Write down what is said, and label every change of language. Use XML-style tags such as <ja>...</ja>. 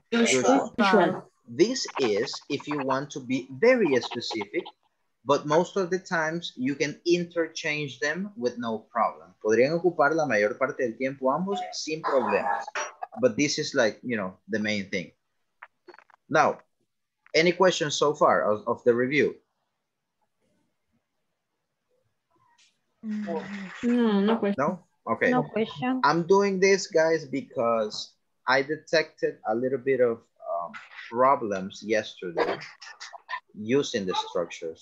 <en>This is if you want to be very specific, but most of the times you can interchange them with no problem.</en> <es>Podrían ocupar la mayor parte del tiempo ambos sin problemas.</es> <en>But this is like, you know, the main thing. Now, any questions so far of the review? No question. Okay. No question. I'm doing this, guys, because I detected a little bit of problems yesterday using the structure.</en>